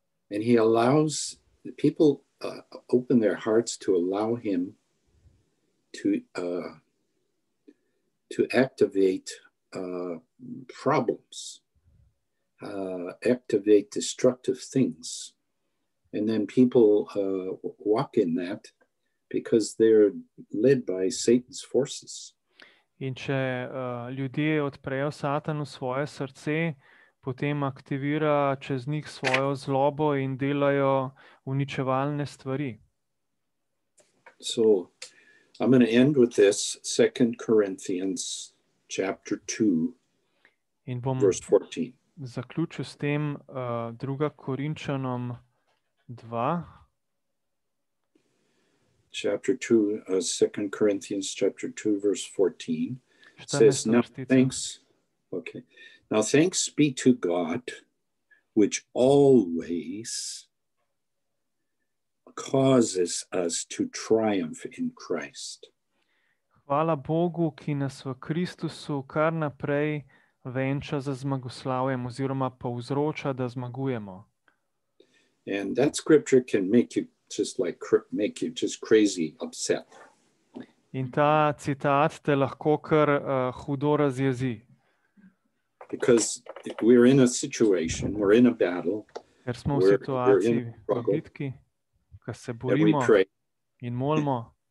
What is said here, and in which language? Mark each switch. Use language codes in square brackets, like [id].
[en] And he allows the people open their hearts to allow him to activate problems. Activate destructive things. And then people walk in that because they're led by Satan's forces. [sl] In če ljudje odprejo Satan v svoje srce, potem aktivira čez njih svojo zlobo in delajo uničevalne stvari. [en] So, I'm going to end with this, 2 Corinthians chapter 2, verse 14. [sl] Zaključil s tem druga Korinčanom 2. [en] Chapter 2, 2 Corinthians chapter 2, verse 14. Says, now thanks, okay. Now thanks be to God, which always causes us to triumph in Christ. [sl] Hvala Bogu, ki nas v Kristusu kar naprej venča za zmagoslavjem oziroma povzroča, da zmagujemo. [en] And that scripture can make you just like make you just crazy upset. [sl] In ta citat te lahko kar hudo razjezi. [en] Because we're in a situation, we're in a battle. [sl] Ker smo v situaciji, v bitki, ko se borimo in molimo.